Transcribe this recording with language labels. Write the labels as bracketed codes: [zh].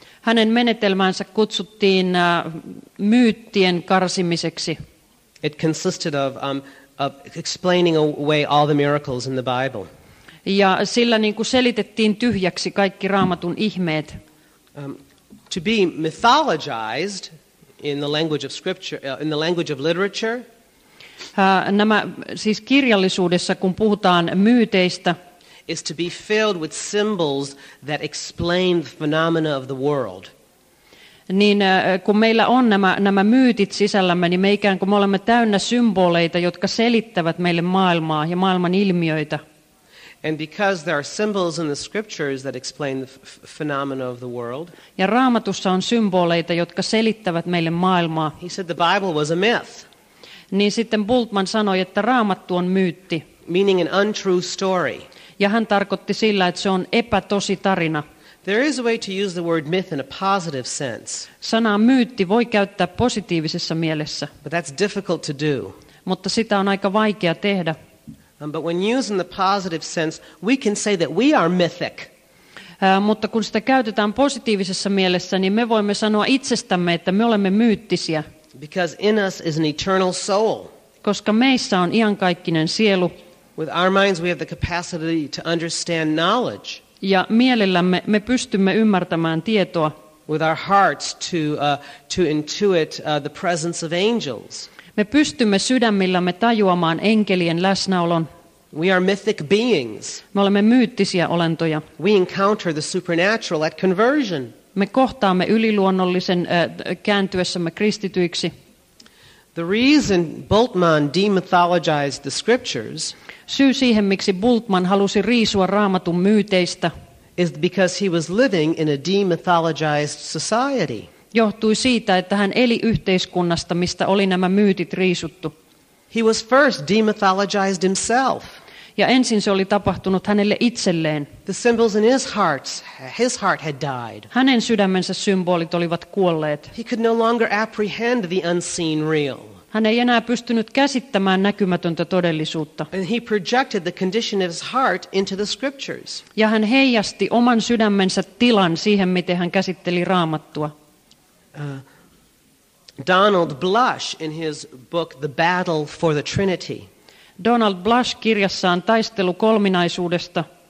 [fi] Hänen menetelmänsä kutsuttiin myyttien karsimiseksi. [en] It consisted of explaining away all the miracles in the Bible. [fi] Ja sillä niin kuin selitettiin tyhjäksi kaikki Raamatun ihmeet. [en] To be mythologized in the language of scripture, in the language of literature. [fi] Nämä siis kirjallisuudessa kun puhutaan myyteistä, [en] is to be filled with symbols that explain the phenomena of the world. [fi] Niin kun meillä on nämä myytit sisällämme, niin me ikään kuin me olemme täynnä symboleita, jotka selittävät meille maailmaa ja maailman ilmiöitä. [en] And because there are symbols in the scriptures that explain the phenomena of the world. [fi] Ja Raamatussa on symboleita, jotka selittävät meille maailmaa. [en] He said the Bible was a myth. [fi] Niin sitten Bultmann sanoi, että Raamattu on myytti. [en] Meaning an untrue story. [fi] Ja hän tarkoitti sillä, että se on epätosi tarina. [en] There is a way to use the word myth in a positive sense. [fi] Sanaa myytti voi käyttää positiivisessa mielessä. [en] But that's difficult to do. [fi] Mutta sitä on aika vaikea tehdä. [en] But when used in the positive sense, we can say that we are mythic. [fi] Mutta kun sitä käytetään positiivisessa mielessä, niin me voimme sanoa itsestämme, että me olemme myyttisiä. [en] Because in us is an eternal soul. [fi] Koska meissä on iankaikkinen sielu. [en] With our minds we have the capacity to understand knowledge. [fi] Ja mielellämme me pystymme ymmärtämään tietoa. [en] With our hearts to intuit the presence of angels. [fi] Me pystymme sydämillämme tajuamaan enkelien läsnäolon. [en] We are mythic beings. [fi] Me olemme myyttisiä olentoja. [en] We encounter the supernatural at conversion. [fi] Me kohtaamme yliluonnollisen kääntyessämme kristityiksi. [en] The reason Bultmann demythologized the scriptures. [fi] Syy siihen, miksi Bultmann halusi riisua Raamatun myyteistä, [en] is because he was living in a demythologized society. [fi] Johtui siitä, että hän eli yhteiskunnasta, mistä oli nämä myytit riisuttu. [en] He was first demythologized himself. [fi] Ja ensin se oli tapahtunut hänelle itselleen. [en] The symbols in his heart had died. [fi] Hänen sydämensä symbolit olivat kuolleet. [en] He could no longer apprehend the unseen real. [fi] Hän ei enää pystynyt käsittämään näkymätöntä todellisuutta. [en] And he projected the condition of his heart into the scriptures. [fi] Ja hän heijasti oman sydämensä tilan siihen, miten hän käsitteli Raamattua. [en] Donald Blush in his book The Battle for the Trinity. [fi] Donald Blush kirjassaan Taistelu kolminaisuudesta